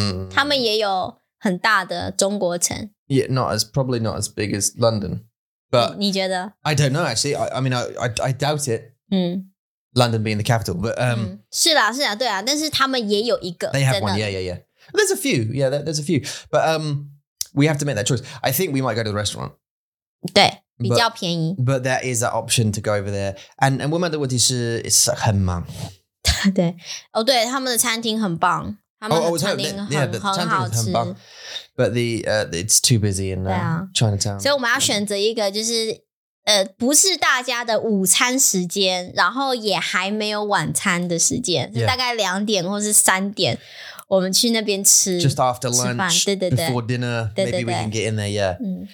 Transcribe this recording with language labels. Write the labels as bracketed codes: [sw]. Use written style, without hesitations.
[zh] 他们也有很大的中国城。 [en] Yeah, not as probably not as big as London. But [zh] 你觉得? [en] I don't know actually. I mean I doubt it. London being the capital, but [zh] 是啦是啦对啊但是他们也有一个。 [en] They have one, yeah, yeah, yeah. There's a few, yeah, there's a few. But we have to make that choice. I think we might go to the restaurant. [zh] 对。比较便宜。 [en] But there is an option to go over there. [zh] And 我问的问题是 It's 很忙对，哦对，他们的餐厅很棒。他们的餐厅很好吃， but it's too busy in Chinatown。所以我们要选择一个就是不是大家的午餐时间，然后也还没有晚餐的时间，大概两点或是三点，我们去那边吃。 Just after lunch, before dinner, maybe we can get in there. Yeah,